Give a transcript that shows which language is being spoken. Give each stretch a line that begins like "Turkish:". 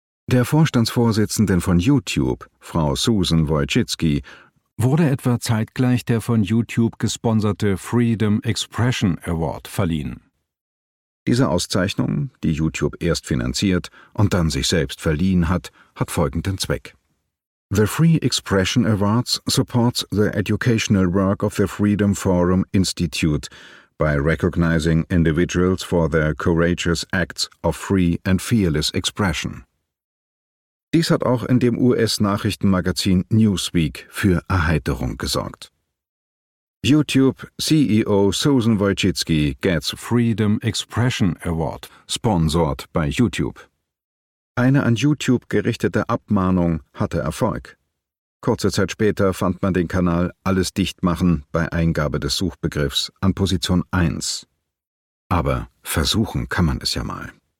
German: Der Vorstandsvorsitzenden von YouTube, Frau Susan Wojcicki, wurde etwa zeitgleich der von YouTube gesponserte Freedom Expression Award verliehen. Diese Auszeichnung, die YouTube erst finanziert und dann sich selbst verliehen hat, hat folgenden Zweck.
English: The Free Expression Awards supports the educational work of the Freedom Forum Institute by recognizing individuals for their courageous acts of free and fearless expression.
German: Dies hat auch in dem US-Nachrichtenmagazin Newsweek für Erheiterung gesorgt.
English: YouTube CEO Susan Wojcicki gets Freedom Expression Award, sponsored by YouTube.
German: Eine an YouTube gerichtete Abmahnung hatte Erfolg. Kurze Zeit später fand man den Kanal Alles dicht machen bei Eingabe des Suchbegriffs an Position 1. Aber versuchen kann man es ja mal.